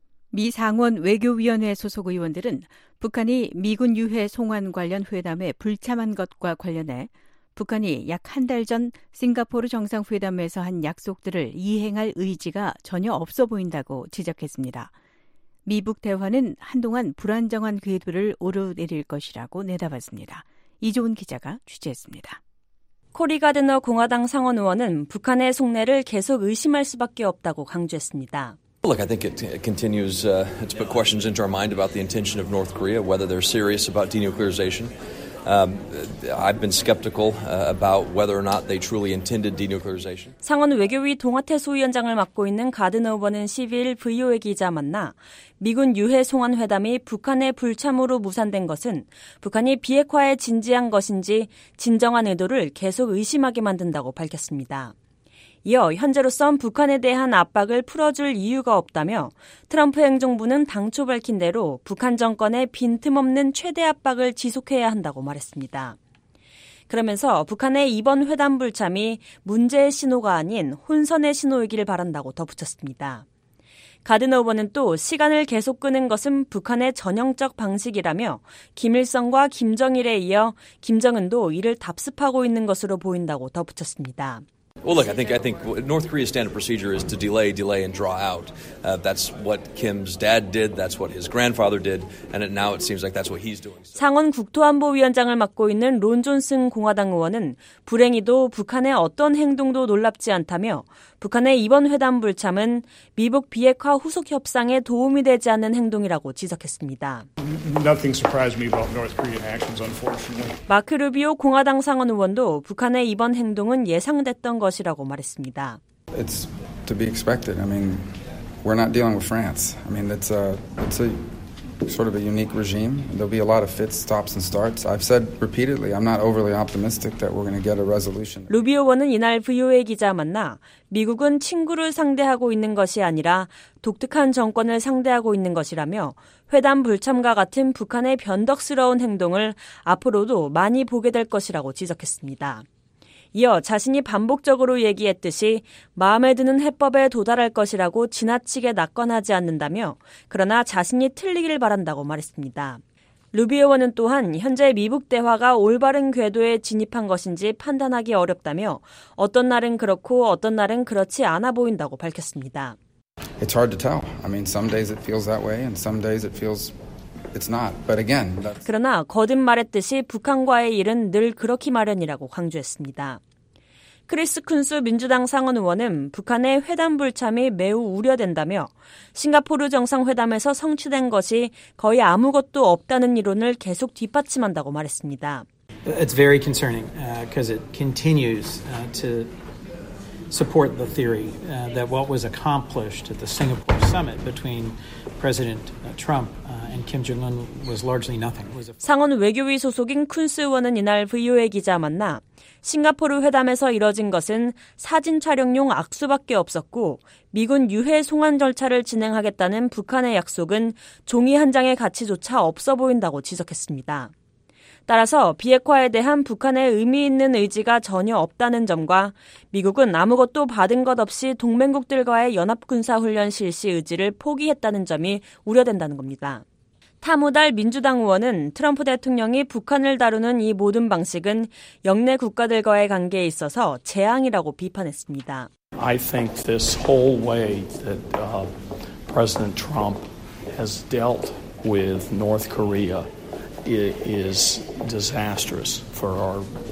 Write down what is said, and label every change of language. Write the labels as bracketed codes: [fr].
[ko] 미 상원 외교위원회 소속 의원들은 북한이 미군 유해 송환 관련 회담에 불참한 것과 관련해 북한이 약 한 달 전 싱가포르 정상회담에서 한 약속들을 이행할 의지가 전혀 없어 보인다고 지적했습니다. 미북 대화는 한동안 불안정한 궤도를 오르내릴 것이라고 내다봤습니다. 이종훈 기자가 취재했습니다. 코리 가드너 공화당 상원 의원은 북한의 속내를 계속 의심할 수밖에 없다고 강조했습니다. [en] Look, I think it continues to put questions into our mind about the intention of North Korea, whether they're serious about denuclearization. I've been skeptical about whether or not they truly intended denuclearization. [ko] 상원 외교위 동아태 소위원장을 맡고 있는 가드너 의원은 12일 VOA 기자 만나 미군 유해 송환 회담이 북한의 불참으로 무산된 것은 북한이 비핵화에 진지한 것인지 진정한 의도를 계속 의심하게 만든다고 밝혔습니다. 이어 현재로선 북한에 대한 압박을 풀어줄 이유가 없다며 트럼프 행정부는 당초 밝힌 대로 북한 정권의 빈틈없는 최대 압박을 지속해야 한다고 말했습니다. 그러면서 북한의 이번 회담 불참이 문제의 신호가 아닌 혼선의 신호이기를 바란다고 덧붙였습니다. 가드너 후보는 또 시간을 계속 끄는 것은 북한의 전형적 방식이라며 김일성과 김정일에 이어 김정은도 이를 답습하고 있는 것으로 보인다고 덧붙였습니다. [en] Well, look, I think North Korea's standard procedure is to delay, and draw out. That's what Kim's dad did. That's what his grandfather did. And now it seems like that's what he's doing. [ko] 상원 국토안보위원장을 맡고 있는 론 존슨 공화당 의원은 불행히도 북한의 어떤 행동도 놀랍지 않다며 북한의 이번 회담 불참은 미북 비핵화 후속 협상에 도움이 되지 않는 행동이라고 지적했습니다. [en] Nothing surprised me about North Korean actions, unfortunately. [ko] 마크 루비오 공화당 상원 의원도 북한의 이번 행동은 예상됐던 것이라고 말했습니다. [en] It's to be expected. I mean, we're not dealing with France. I mean, it's a sort of a unique regime. There'll be a lot of fits, stops, and starts. I've said repeatedly, I'm not overly optimistic that we're going to get a resolution. [ko] 루비오 의원은 이날 VOA 기자 만나 미국은 친구를 상대하고 있는 것이 아니라 독특한 정권을 상대하고 있는 것이라며 회담 불참과 같은 북한의 변덕스러운 행동을 앞으로도 많이 보게 될 것이라고 지적했습니다. 이어 자신이 반복적으로 얘기했듯이 마음에 드는 해법에 도달할 것이라고 지나치게 낙관하지 않는다며 그러나 자신이 틀리길 바란다고 말했습니다. 루비오 의원은 또한 현재 미북 대화가 올바른 궤도에 진입한 것인지 판단하기 어렵다며 어떤 날은 그렇고 어떤 날은 그렇지 않아 보인다고 밝혔습니다. [en] It's hard to tell. I mean, some days it feels that way and some days it feels It's not. But again, that's... [ko] 그러나 거듭 말했듯이 북한과의 일은 늘 그렇기 마련이라고 강조했습니다. 크리스 쿤스 민주당 상원 의원은 북한의 회담 불참이 매우 우려된다며 싱가포르 정상회담에서 성취된 것이 거의 아무것도 없다는 이론을 계속 뒷받침한다고 말했습니다. [en] It's very concerning because it continues to support the theory that what was accomplished at the Singapore summit between President Trump and Kim Jong-un was largely nothing. [ko] 상원 외교위 소속인 쿤스 의원은 이날 VOA 기자 만나 싱가포르 회담에서 이뤄진 것은 사진 촬영용 악수밖에 없었고 미군 유해 송환 절차를 진행하겠다는 북한의 약속은 종이 한 장의 가치조차 없어 보인다고 지적했습니다. 따라서 비핵화에 대한 북한의 의미 있는 의지가 전혀 없다는 점과 미국은 아무것도 받은 것 없이 동맹국들과의 연합군사훈련 실시 의지를 포기했다는 점이 우려된다는 겁니다. 타무달 민주당 의원은 트럼프 대통령이 북한을 다루는 이 모든 방식은 영내 국가들과의 관계에 있어서 재앙이라고 비판했습니다. [en] I think this whole way that President Trump has dealt with North Korea is disastrous for our